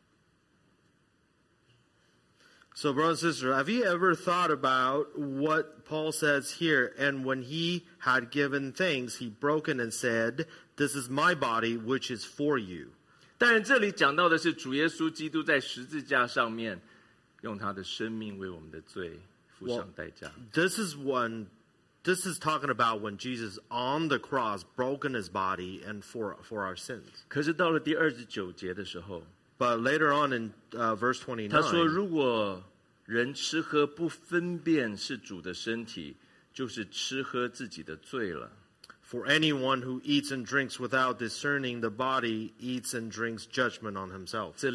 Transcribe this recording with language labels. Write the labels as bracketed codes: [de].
[en] So, brothers and sisters, have you ever thought about what Paul says here? And when he had given thanks, he broke and said, "This is my body, which is for you." [zh] 但这里讲到的是主耶稣基督在十字架上面用他的生命为我们的罪付上代价。 [en] This is when this is talking about when Jesus on the cross broken his body and for our sins. [zh] 可是到了第29节的时候， [en] But later on in verse 29, [zh] 他说如果人吃喝不分辨是主的身体，就是吃喝自己的罪了。 [en] For anyone who eats and drinks without discerning the body eats and drinks judgment on himself.